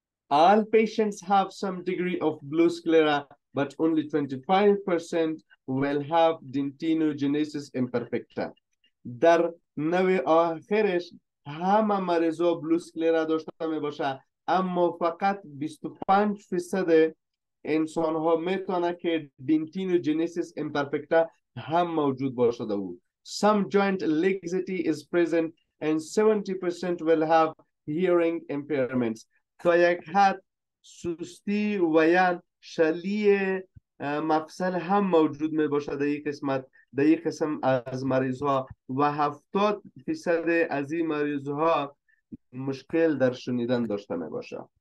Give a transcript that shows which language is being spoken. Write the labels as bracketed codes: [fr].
[en] All patients have some degree of blue sclera, but only 25% will have dentinogenesis imperfecta. [fa] در نوی آخرش همه مریضا بلو سکلیرا داشته می باشه، اما فقط 25% انسان ها می تانه که dentinogenesis imperfecta هم موجود باشه ده. [en] Some joint laxity is present and 70% will have hearing impairments. [fa] تو یک حد سستی و یا شلیه مفصل هم موجود می باشه در یک قسمت، در یک قسم از مریض ها، و 70% از این مریض ها مشکل در شنیدن داشته می باشه.